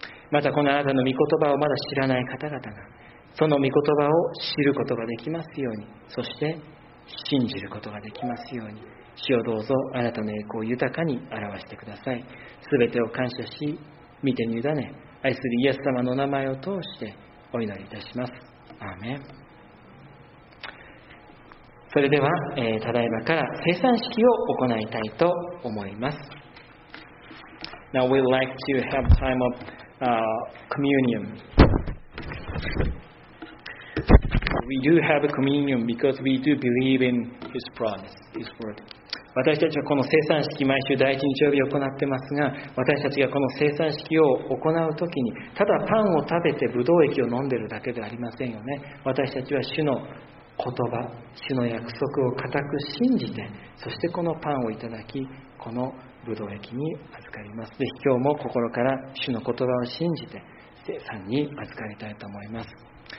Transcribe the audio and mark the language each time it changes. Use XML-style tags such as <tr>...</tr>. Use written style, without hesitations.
<ja>またこのあなたの御言葉をまだ知らない方々が、その御言葉を知ることができますように、そして信じることができますように、主よ、どうぞあなたの栄光を豊かに表してください。すべてを感謝し、御手に委ね、愛するイエス様の名前を通してお祈りいたします。アーメン。それでは、ただいまから聖餐式を行いたいと思います。</ja> <en>Now we'd like to have time of communion. We do have a communion because we do believe in His promise, His word.</en> <ja>私たちはこの聖餐式、毎週第一日曜日を行ってますが、私たちがこの聖餐式を行うときに、ただパンを食べてブドウ液を飲んでるだけではありませんよね。私たちは主の言葉、主の約束を固く信じて、そしてこのパンをいただき、このブドウ液に預かります。ぜひ今日も心から主の言葉を信じて聖餐に預かりたいと思います。</ja>